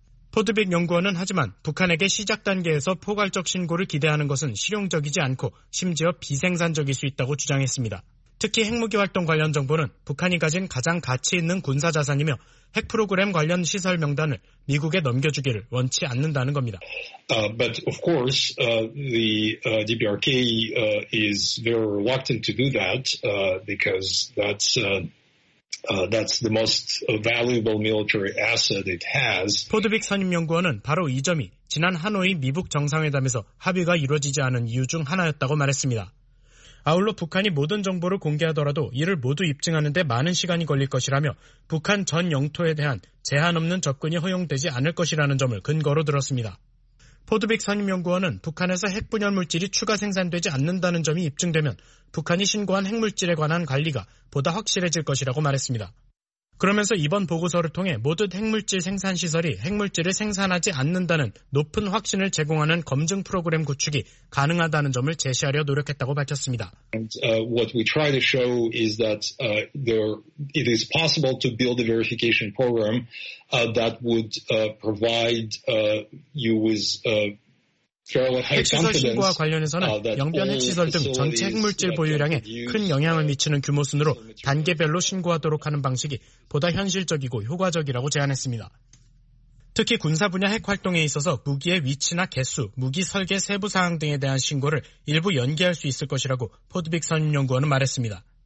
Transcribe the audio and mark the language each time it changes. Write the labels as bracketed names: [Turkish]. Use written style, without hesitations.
[Korean] 포드빅 연구원은 하지만 북한에게 시작 단계에서 포괄적 신고를 기대하는 것은 실용적이지 않고 심지어 비생산적일 수 있다고 주장했습니다. 특히 핵무기 활동 관련 정보는 북한이 가진 가장 가치 있는 군사 자산이며 핵 프로그램 관련 시설 명단을 미국에 넘겨주기를 원치 않는다는 겁니다. [English] But of course, the DPRK is very reluctant to do that because that's the most valuable military asset it has. [Korean] 포드빅 선임연구원은 바로 이 점이 지난 하노이 미북 정상회담에서 합의가 이루어지지 않은 이유 중 하나였다고 말했습니다. 아울러 북한이 모든 정보를 공개하더라도 이를 모두 입증하는 데 많은 시간이 걸릴 것이라며 북한 전 영토에 대한 제한 없는 접근이 허용되지 않을 것이라는 점을 근거로 들었습니다. 포드빅 선임연구원은 북한에서 핵분열 물질이 추가 생산되지 않는다는 점이 입증되면 북한이 신고한 핵물질에 관한 관리가 보다 확실해질 것이라고 말했습니다. 그러면서 이번 보고서를 통해 모든 핵물질 생산시설이 핵물질을 생산하지 않는다는 높은 확신을 제공하는 검증 프로그램 구축이 가능하다는 점을 제시하려 노력했다고 밝혔습니다. [English] And, what we try to show is that it is possible to build a verification program that would provide you with fairly high confidence. [Korean] 핵시설 신고와 관련해서는 영변 핵시설 등 전체 핵물질 보유량에 큰 영향을 미치는 규모 순으로 단계별로 신고하도록 하는 방식이 보다 현실적이고 효과적이라고 제안했습니다. 특히 군사 분야 핵 활동에 있어서 무기의 위치나 개수, 무기 설계 세부 사항 등에 대한 신고를 일부 연기할 수 있을 것이라고 포드빅 선임연구원은 말했습니다.